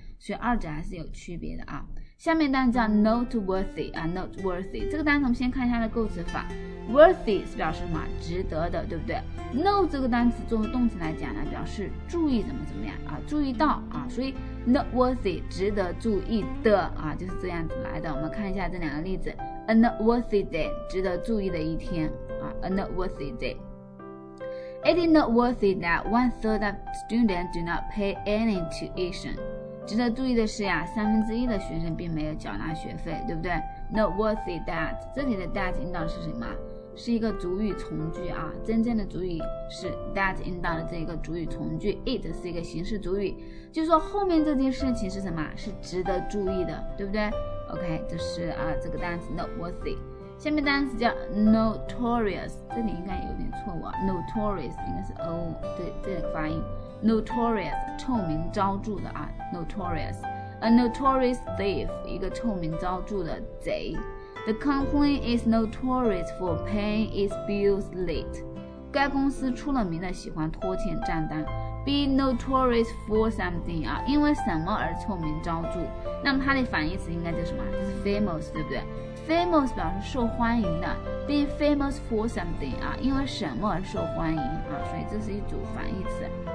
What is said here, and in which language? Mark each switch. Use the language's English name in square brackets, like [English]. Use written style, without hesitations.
[Chinese] 所以二者还是有区别的啊。下面单词叫 noteworthy 啊， noteworthy 这个单词我们先看一下它的构词法。 worthy 是表示什么？值得的，对不对？note 这个单词作为动词来讲呢，表示注意怎么怎么样啊，注意到啊，所以 noteworthy 值得注意的啊，就是这样子来的。我们看一下这两个例子。 [English] a noteworthy day [Chinese] 值得注意的一天啊， a noteworthy day。 [English] It is noteworthy that one third of students do not pay any tuition。 [Chinese] 值得注意的是呀，三分之一的学生并没有缴纳学费，对不对？ noteworthy that， 这里的 that 引导是什么？是一个主语从句啊，真正的主语是 that 引导的这个主语从句， it 是一个形式主语，就说后面这件事情是什么？是值得注意的，对不对？ OK， 这是啊这个单词 noteworthy。下面单词叫 notorious， 这里应该有点错误啊， notorious 应该是 O， 对，这个发音notorious， 臭名昭著的啊。 notorious， [English] a notorious thief， [Chinese] 一个臭名昭著的贼。 [English] The company is notorious for paying its bills late。 [Chinese] 该公司出了名的喜欢拖欠账单。 [English] be notorious for something [Chinese] 啊，因为什么而臭名昭著。那么它的反义词应该叫什么？就是 famous， 对不对？famous 表示受欢迎的， [English] be famous for something [Chinese] 啊，因为什么而受欢迎啊，所以这是一组反义词。